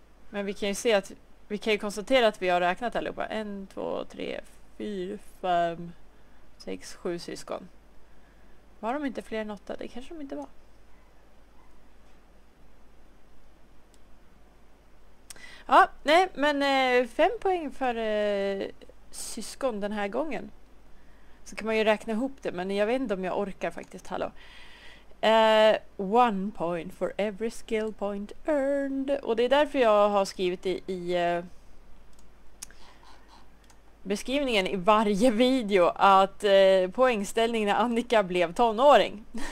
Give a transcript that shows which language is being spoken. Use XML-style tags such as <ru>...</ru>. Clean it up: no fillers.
<sv>Men vi kan ju se att... Vi kan ju konstatera att vi har räknat allihopa. 1, 2, 3, 4, 5, 6, 7 syskon. Var de inte fler än 8? Det kanske de inte var. Ja, nej, men 5 poäng för syskon den här gången. Så kan man ju räkna ihop det, men jag vet inte om jag orkar faktiskt, hallå.</sv> <en>1 point for every skill point earned.</en> <sv>Och det är därför jag har skrivit i beskrivningen i varje video att poängställningen när Annika blev tonåring.</sv>